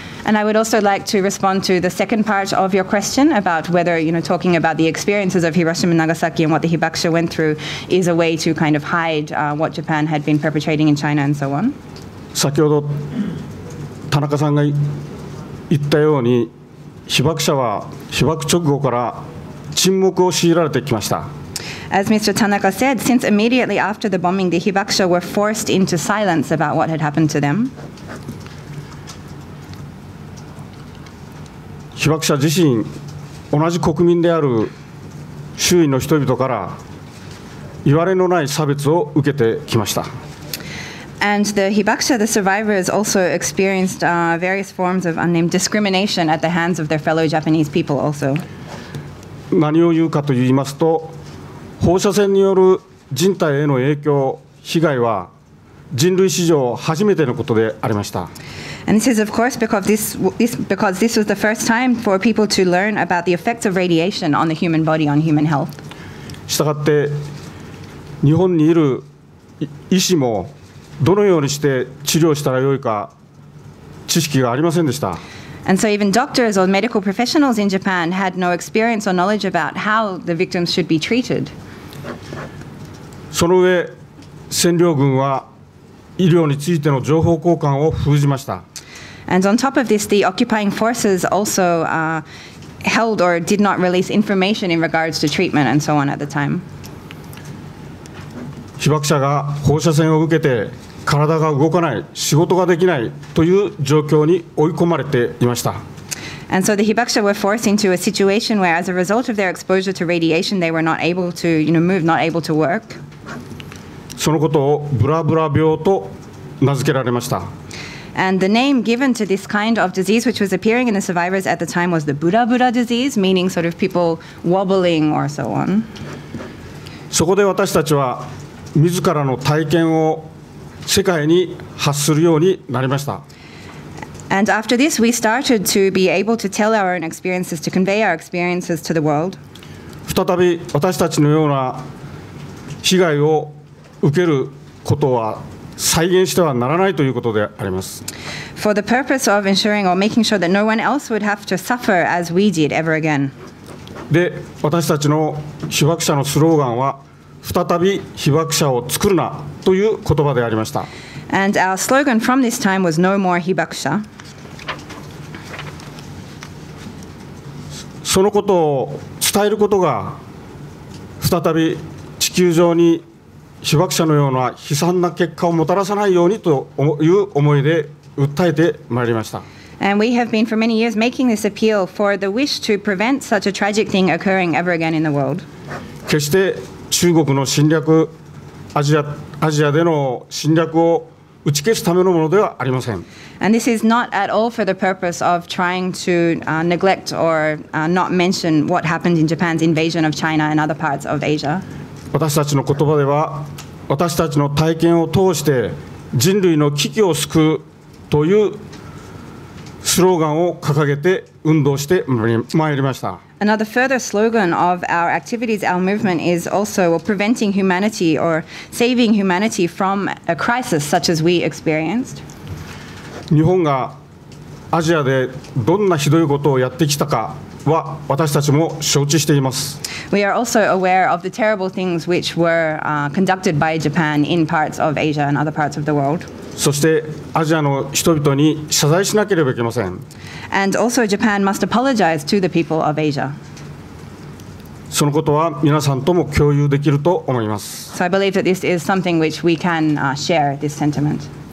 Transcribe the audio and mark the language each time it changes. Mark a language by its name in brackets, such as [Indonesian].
[English] And I would also like to respond to the second part of your question about whether, you know, talking about the experiences of Hiroshima and Nagasaki and what the Hibakusha went through is a way to kind of hide what Japan had been perpetrating in China and so on. [Japanese] 先ほど田中さんが言ったように被爆者は被爆直後から沈黙を強いられてきました。 [English] As Mr. Tanaka said, since immediately after the bombing, the Hibakusha were forced into silence about what had happened to them. [Japanese] 被爆者自身、同じ国民である周囲の人々から言われのない差別を受けてきました。 [English] And the Hibakusha, the survivors, also experienced various forms of unnamed discrimination at the hands of their fellow Japanese people also. [Japanese] 何を言うかと言いますと、放射線による人体への影響、被害は人類史上初めてのことでありました。 [English] And this is, of course, because this was the first time for people to learn about the effects of radiation on the human body, on human health. [Japanese] したがって日本にいる医師もどのようにして治療したらよいか知識がありませんでした。 [English] And so even doctors or medical professionals in Japan had no experience or knowledge about how the victims should be treated. [Japanese] その上、占領軍は医療についての情報交換を封じました。 [English] And on top of this, the occupying forces also held or did not release information in regards to treatment and so on at the time. [Japanese] 被爆者が放射線を受けて体が動かない、仕事ができないという状況に追い込まれていました。 [English] And so the Hibakusha were forced into a situation where, as a result of their exposure to radiation, they were not able to, you know, move, not able to work. [Japanese] そのことをブラブラ病と名付けられました。 [English] And the name given to this kind of disease, which was appearing in the survivors at the time, was the Bura Bura disease, meaning sort of people wobbling or so on. [Japanese] そこで私たちは自らの体験を世界に発するようになりました。 [English] And after this, we started to be able to tell our own experiences, to convey our experiences to the world. [Japanese] 再び私たちのような被害を受けることは再現してはならないということであります。 [English] For the purpose of ensuring or making sure that no one else would have to suffer as we did ever again. [Japanese] で、私たちの被爆者のスローガンは再び被爆者を作るなという言葉でありました。 [English] And our slogan from this time was no more Hibakusha. [Japanese] そのことを伝えることが再び地球上に被爆者のような悲惨な結果をもたらさないようにという思いで訴えてまいりました。 [English] And we have been for many years making this appeal for the wish to prevent such a tragic thing occurring ever again in the world. [Japanese] 決して中国の侵略、アジアでの侵略を打ち消すためのものではありません。 [English] And this is not at all for the purpose of trying to neglect or not mention what happened in Japan's invasion of China and other parts of Asia. [Japanese] 私たちの言葉では、私たちの体験を通して人類の危機を救うというスローガンを掲げて運動してまいりました。 [English] Another further slogan of our activities, our movement, is also preventing humanity or saving humanity from a crisis such as we experienced. [Japanese] 日本がアジアでどんなひどいことをやってきたかは私たちも承知しています。 [English] We are also aware of the terrible things which were conducted by Japan in parts of Asia and other parts of the world. [Japanese] そしてアジアの人々に謝罪しなければいけません。 [English] And also Japan must apologize to the people of Asia. [Japanese] そのことは皆さんとも共有できると思います。 [English] So I believe that this is something which we can share this sentiment.